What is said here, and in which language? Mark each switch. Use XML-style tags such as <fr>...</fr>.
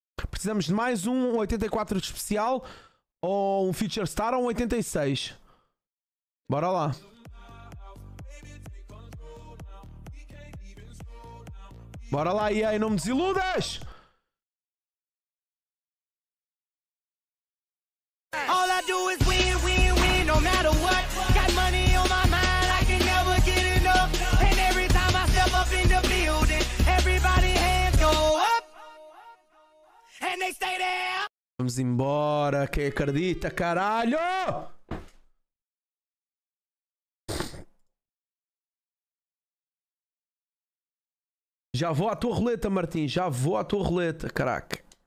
<pt>Precisamos de mais um 84 de especial ou um feature star ou um 86. Bora lá. Bora lá, EA, não me desiludas!</pt> <en>All I do is win, win, win, no matter what. Got money on my mind, I can never get enough. And every time I step up in the building, everybody hands go up. And they stay there.</en> <pt>Vamos embora, quem acredita, caralho! Já vou à tua roleta, Martim. Já vou à tua roleta, caraca.</pt>